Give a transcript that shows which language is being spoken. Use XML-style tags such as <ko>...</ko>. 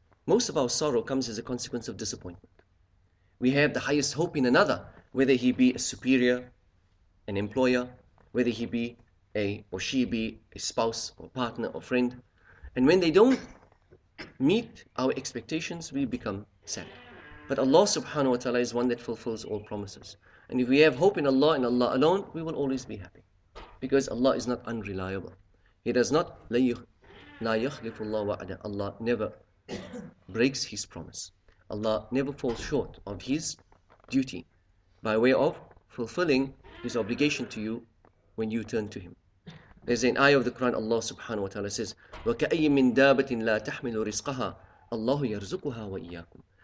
<en>Most of our sorrow comes as a consequence of disappointment. We have the highest hope in another, whether he be a superior, an employer, whether he be a or she be a spouse or partner or friend. And when they don't meet our expectations, we become sad. But Allah subhanahu wa ta'ala is one that fulfills all promises. And if we have hope in Allah and Allah alone, we will always be happy. Because Allah is not unreliable. He does not,</en> <ar>لَا يَخْلِفُ اللَّهُ وَعَدًا.</ar> <en>Allah never breaks His promise. Allah never falls short of His duty by way of fulfilling His obligation to you when you turn to Him. There's an ayah of the Quran, Allah subhanahu wa ta'ala says,</en> <ar>وَكَأَيِّ مِنْ دَابَةٍ لَا تَحْمِلُ رِزْقَهَا اللَّهُ يَرْزُقُهَا وَإِيَّاكُمْ.</ar>